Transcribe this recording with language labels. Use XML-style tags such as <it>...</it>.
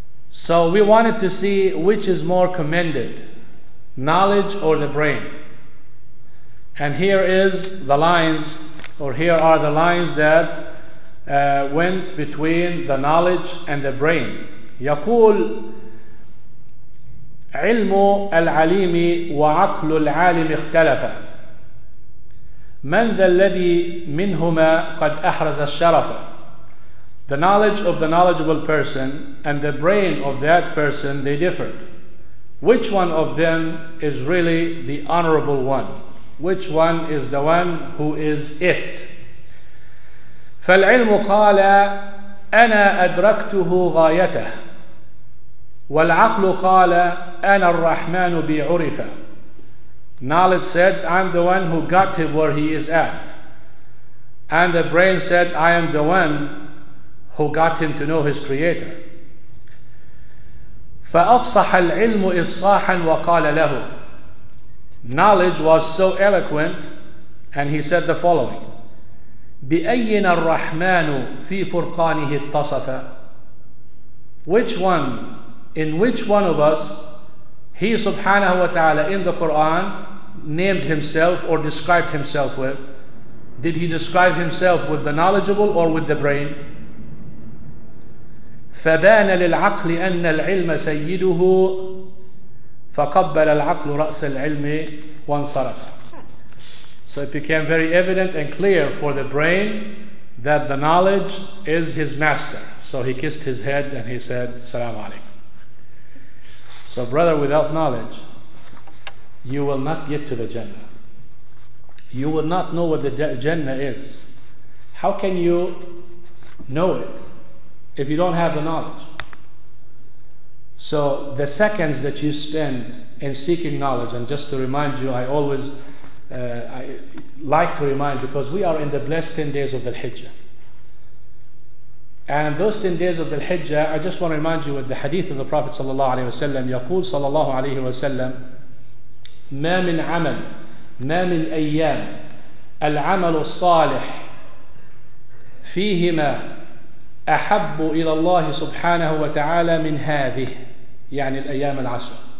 <en>So we wanted to see which is more commended, knowledge or the brain. And here is the lines, or here are the lines that went between the knowledge and the brain.</en> <ar>يقول علم العليم وعقل العالم اختلفا من ذا الذي منهما قد أحرز الشرف.</ar> <en>The knowledge of the knowledgeable person and the brain of that person, they differed. Which one of them is really the honorable one? Which one is the one who is it?</en> <ar>فالعلم قال أنا أدركته غايته، والعقل قال أنا الرحمن بعرفة.</ar> <en>Knowledge said, I'm the one who got him where he is at. And the brain said, I am the one who got him to know his creator.</en> <ar>فأفصح العلم إفصاحا وقال له.</ar> <en>Knowledge was so eloquent, and he said the following.</en> <ar>بأين الرحمن في فرقانه اتصف.</ar> <en>Which one, in which one of us, he subhanahu wa ta'ala in the Quran named himself or described himself with? Did he describe himself with the knowledgeable or with the brain?</en> <ar>فبان للعقل أن العلم سيده فقبل العقل رأس العلم وانصرف.</ar> <en>So it became very evident and clear for the brain that the knowledge is his master. So he kissed his head and he said, Assalamu alaikum. So brother, without knowledge, you will not get to the Jannah. You will not know what the Jannah is. How can you know it if you don't have the knowledge? So the seconds that you spend in seeking knowledge, and just to remind you, I always I like to remind, because we are in the blessed 10 days of the Hijjah. And those 10 days of the Hijjah, I just want to remind you with the hadith of the Prophet sallallahu alaihi wasallam.</en> <ar>يقول صلى الله عليه وسلم ما من عمل ما من أيام العمل الصالح فيهما أحب إلى الله سبحانه وتعالى من هذه، يعني الأيام العشر.</ar>